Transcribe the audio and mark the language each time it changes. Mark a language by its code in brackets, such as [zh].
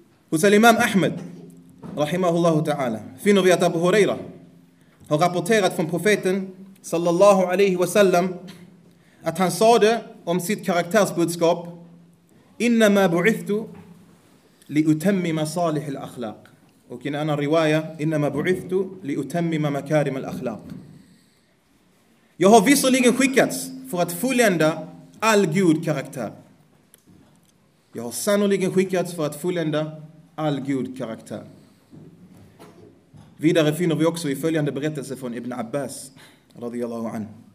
[sv] Hos al-Imam Ahmed rahimahullahu ta'ala finner vi att Abu Huraira har rapporterat från profeten sallallahu alaihi wasallam att han sade om sitt karaktärsbudskap: [ar] إنما بعثت لأتمم صالح الأخلاق. وكن أنا الرواية: إنما بعثت لأتمم مكارم الأخلاق. [sv] Jag har visserligen skickats för att fullända all god karaktär. Jag har sannoliken skickats för att fullända all god karaktär. Vidare finner vi också i följande berättelse från Ibn Abbas radiyallahu anhu.